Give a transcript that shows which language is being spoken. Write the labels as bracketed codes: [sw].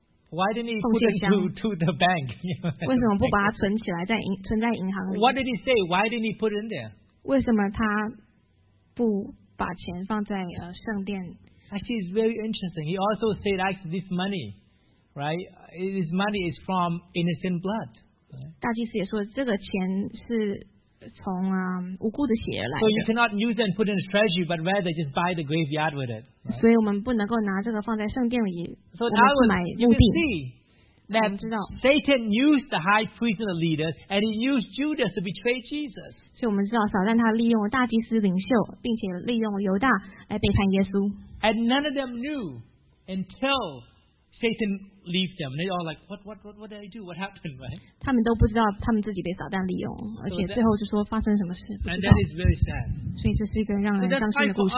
[en] Why didn't he put it to the bank? [zh] 为什么不把它存起来在存在银行里？ [en] What did he say? Why didn't he put it in there? [zh] 为什么他不？把钱放在圣殿。 [en] Actually, it's very interesting. He also said, "Actually, this money, right? This money is from innocent blood." [zh] 大祭司也说这个钱是从无辜的血而来的。 [en] So you cannot use it and put it in the treasury, but rather just buy the graveyard with it. [zh] 所以我们不能够拿这个放在圣殿里，我们去买墓地。 [en] That Satan used the high priest and the leaders, and he used Judas to betray Jesus. [zh] 所以我们知道撒旦他利用了大祭司领袖，并且利用犹大来背叛耶稣。 [en] And none of them knew until Satan left them. They all like, what did I do? What happened, right? [zh] 他们都不知道他们自己被撒旦利用，而且最后是说发生什么事。 [en] And that is very sad. [zh] 所以这是一个让人伤心的故事。